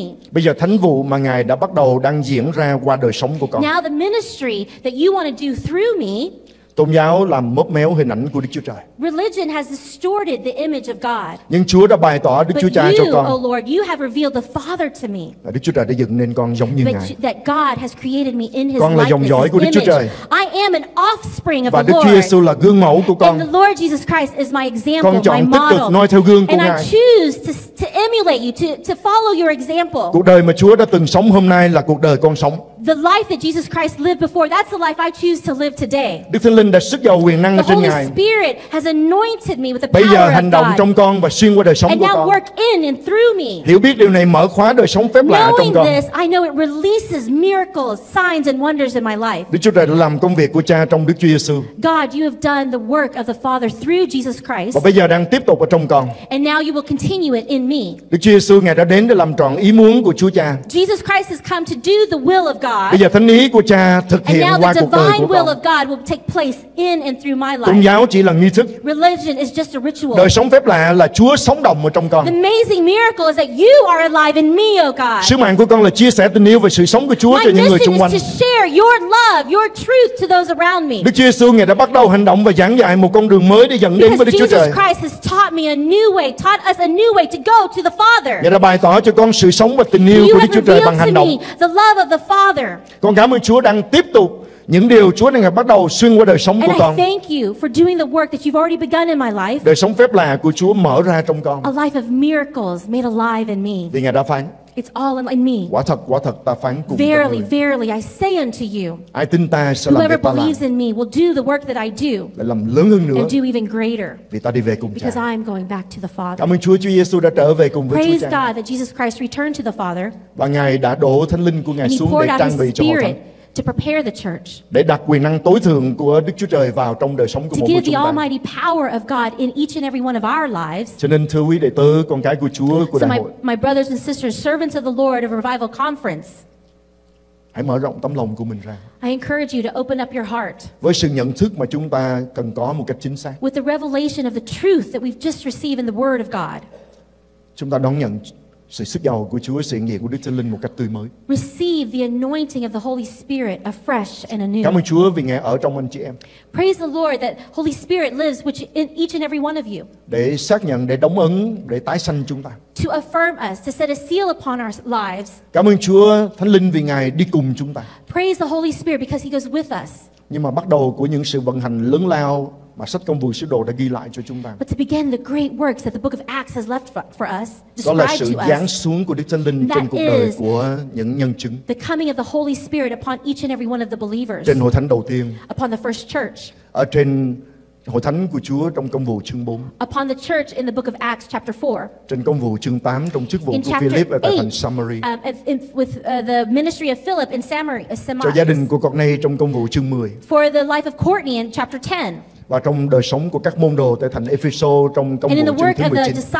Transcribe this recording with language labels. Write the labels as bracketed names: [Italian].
[Vietnamese] Bây giờ thánh vụ mà Ngài đã bắt đầu đang diễn ra qua đời sống của con. [English] Now the ministry that you want to do through me. [Vietnamese] Tôn giáo làm mốc méo hình ảnh của Đức Chúa Trời. [English] Religion has distorted the image of God. [Vietnamese] Nhưng Chúa đã bày tỏ Đức [English] But [Vietnamese] Chúa Cha cho con. [English] Oh Lord, you have revealed the Father to me. [Vietnamese] Đức Chúa Trời đã dựng nên con giống như [English] But [Vietnamese] Ngài. [English] That God has created me in His likeness. [Vietnamese] Con là dòng dõi của Đức Chúa Trời. [English] I am an offspring of [Vietnamese] Và [English] the [Vietnamese] Đức Chúa Giêsu là gương mẫu của con. [English] And the Lord Jesus Christ is my example, [Vietnamese] Con chọn [English] my model. [Vietnamese] Tích cực noi theo gương của [English] And [Vietnamese] Ngài. [English] And I choose to emulate you, to follow your example. [Vietnamese] Cuộc đời mà Chúa đã từng sống hôm nay là cuộc đời con sống. [English] The life that Jesus Christ lived before, that's the life I choose to live today. [Vietnamese] Đức Thánh Linh đã sức dầu quyền năng trên Ngài. [English] The Holy Spirit has anointed me with the [Vietnamese] Bây [English] power of God. [Vietnamese] Bây giờ hành động trong con và xuyên qua đời sống [English] and [Vietnamese] của [English] now [Vietnamese] con. [English] Work in and through me. [Vietnamese] Hiểu biết điều này mở khóa đời sống phép [English] Knowing [Vietnamese] lạ trong con. [English] This, I know it releases miracles, signs and wonders in my life. [Vietnamese] Đức Chúa Trời đã làm công việc của Cha trong Đức Chúa Giêsu. [English] God, you have done the work of the Father through Jesus Christ. [Vietnamese] Và bây giờ đang tiếp tục ở trong con. [English] And now you will continue it in me. [Vietnamese] Đức Chúa Giêsu Ngài đã đến để làm trọn ý muốn của Chúa Cha. [English] Jesus Christ has come to do the will of God. [Vietnamese] Bây giờ thánh ý của Cha thực hiện qua cuộc đời của [English] will of God will take place in and through my life. [Vietnamese] Tôn giáo chỉ là nghi thức. [English] Religion is just a ritual. [Vietnamese] Đời sống phép lạ là Chúa sống động ở trong con. [English] The amazing miracle is that you are alive in me, oh God. [Vietnamese] Sứ mạng của con là chia sẻ tình yêu và sự sống của Chúa [English] my [Vietnamese] cho những người xung quanh. [English] My mission is to share your love, your truth to those around me. [Vietnamese] Đức Chúa Giêsu Ngài đã bắt đầu hành động và giảng dạy một con đường mới để dẫn đến với Đức Chúa Trời. [English] Jesus Christ has taught me a new way, taught us a new way to go to the Father. [Vietnamese] Ngài đã bày tỏ cho con sự sống và tình yêu của Đức Chúa Trời bằng hành động. [English] The love of the Father. [Vietnamese] Con cảm ơn Chúa đang tiếp tục những điều Chúa đang bắt đầu xuyên qua đời sống của con. [English] And I thank you for doing the work that you've already begun in my life. [Vietnamese] Đời sống phép lạ của Chúa mở ra trong con. [English] A life of miracles made alive in me. [Vietnamese] Vì Ngài đã phán. [English] It's all in me. [Vietnamese] Quả thật ta phán cùng [English] verily, verily, I say unto you, [Vietnamese] ai tin ta sẽ [English] whoever [Vietnamese] làm việc ta [English] believes [Vietnamese] làm. [English] In me will do the work that I do [Vietnamese] làm lớn hơn nữa, [English] and do even greater [Vietnamese] vì ta đi về cùng [English] because [Vietnamese] cha. [English] I am going back to the Father. [Vietnamese] Cảm ơn Chúa, Chúa Giê-xu đã trở về cùng với [English] praise [Vietnamese] Chúa cha. [English] God that Jesus Christ returned to the Father. [Vietnamese] Và Ngài đã đổ Thánh Linh của Ngài [English] and [Vietnamese] xuống để trang bị cho hội thánh. [English] To prepare the church. [Vietnamese] Để đặt quyền năng tối thượng của Đức Chúa Trời vào trong đời sống của mỗi chúng ta. [English] To give the almighty power of God in each and every one of our lives. [Vietnamese] Cho nên thưa quý đệ tử, con cái của Chúa của đại hội. [English] My brothers and sisters, servants of the Lord of Revival Conference. [Vietnamese] Hãy mở rộng tấm lòng của mình ra. [English] I encourage you to open up your heart. [Vietnamese] Với sự nhận thức mà chúng ta cần có một cách chính xác. [English] With the revelation of the truth that we've just received in the Word of God. [Vietnamese] Chúng ta đón nhận sự sức giàu của Chúa, sự hiện diện của Đức Thánh Linh một cách tươi mới. [English] Receive the anointing of the Holy Spirit afresh and anew. [Vietnamese] Cảm ơn Chúa vì Ngài ở trong anh chị em. [English] Praise the Lord that Holy Spirit lives which in each and every one of you. [Vietnamese] Để xác nhận, để đóng ấn, để tái sanh chúng ta. [English] To affirm us, to set a seal upon our lives. [Vietnamese] Cảm ơn Chúa, Thánh Linh vì Ngài đi cùng chúng ta. [English] Praise the Holy Spirit because He goes with us. [Vietnamese] Nhưng mà bắt đầu của những sự vận hành lớn lao mà sách Công Vụ Sứ Đồ đã ghi lại cho chúng ta. [English] But to begin the great works that the book of Acts has left for us, [Vietnamese] đó là sự giáng xuống của Đức Thánh Linh trên cuộc đời của những nhân chứng. [English] The coming of the Holy Spirit upon each and every one of the believers. [Vietnamese] Trên hội thánh đầu tiên. [English] Upon the first church. [Vietnamese] Ở trên hội thánh của Chúa trong Công Vụ chương 4. [English] Upon the church in the book of Acts chapter 4. [Vietnamese] Trên Công Vụ chương 8 trong chức vụ [English] in [Vietnamese] của Philip ở tại thành Samaria. [English] With the ministry of Philip in Samaria. [Vietnamese] Cho gia đình của Cornelius trong Công Vụ chương 10. [English] For the life of Courtney in chapter 10. [Vietnamese] Và trong đời sống của các môn đồ tại thành Epheso trong Công Vụ chương 19.